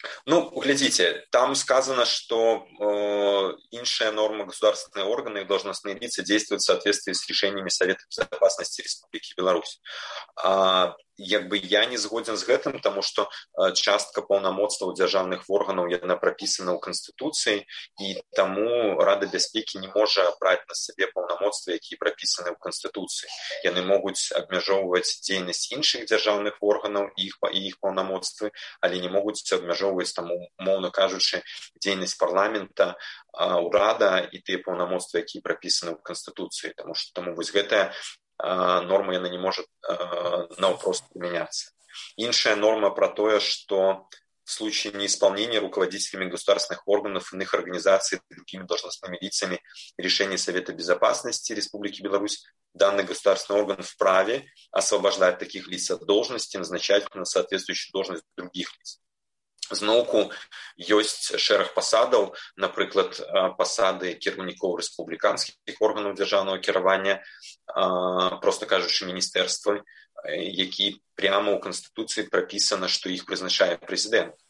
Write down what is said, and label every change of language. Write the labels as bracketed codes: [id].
[be] Ну, глядзіце, [ru] там сказано, [be] што іншая норма [ru] государственные органы и должностные лица действуют в соответствии с решениями Совета безопасности Республики Беларусь. [be] Як бы я не згоден з гэтым, таму што частка паўнамоцтваў дзяржаўных органаў яна прапісана ў канстытуцыі, і таму Рада бяспекі не можа браць на сябе паўнамоцтвы, якія прапісаны ў канстытуцыі. Яны могуць абмяжоўваць дзейнасць іншых дзяржаўных органаў і іх паўнамоцтвы, але не могуць абмяжоўваць, таму умоўна кажучы, дзейнасць парламента, урада і тыя паўнамоцтвы, якія прапісаны ў канстытуцыі, таму што таму вось гэтая норма яна не можа наўпрост прымяняцца. Іншая норма пра тое, што [ru] в случае неисполнения руководителями государственных органов, иных организаций, другими должностными лицами решений Совета безопасности Республики Беларусь, данный государственный орган вправе освобождать таких лиц от должности, назначать на соответствующую должность других лиц. [be] Зноўку ёсць шэраг пасадаў, напрыклад, пасады кіраўнікоў рэспубліканскіх органаў дзяржаўнага кіравання, проста кажучы, міністэрства, які прямо ў канстытуцыі прапісана, што іх прызначае прэзідэнт.